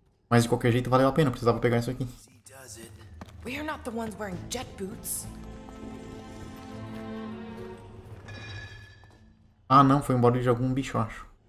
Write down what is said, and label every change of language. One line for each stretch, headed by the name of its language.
Portuguese: Mas de qualquer jeito valeu a pena, precisava pegar isso aqui.
English: We are not the ones wearing jet boots.
Portuguese: Ah não, foi embora de algum bicho, acho.